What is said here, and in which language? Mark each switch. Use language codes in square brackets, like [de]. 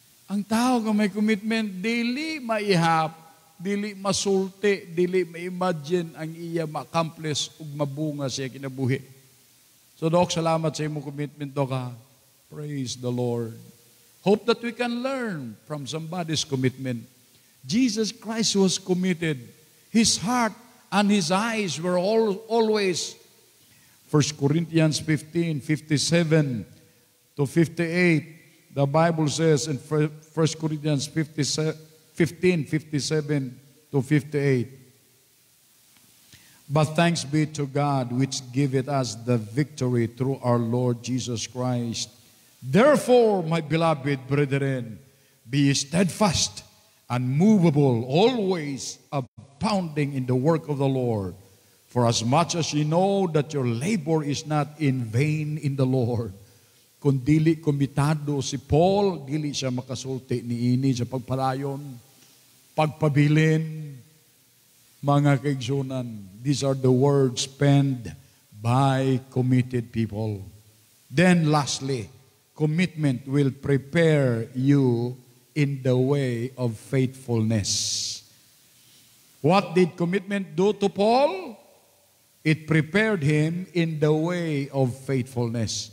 [ceb] Ang tao kung may commitment, dili maihap, dili masulti, dili ma-imagine ang iya ma-accomplish ug mabunga siya kinabuhi. So, Doc, salamat sa imong commitment, Doc. [en] Praise the Lord. Hope that we can learn from somebody's commitment. Jesus Christ was committed. His heart and his eyes were always 1 Corinthians 15, 57 to 58. The Bible says in 1 Corinthians 15, 57 to 58. But thanks be to God which giveth us the victory through our Lord Jesus Christ. Therefore, my beloved brethren, be steadfast and movable, always abounding in the work of the Lord. For as much as you know that your labor is not in vain in the Lord, [ceb] kung dili komitado si Paul, dili siya makasulti niini sa pagpalayon, pagpabilin, mga kaigsunan. [en] These are the words penned by committed people. Then lastly, commitment will prepare you in the way of faithfulness. What did commitment do to Paul? It prepared him in the way of faithfulness.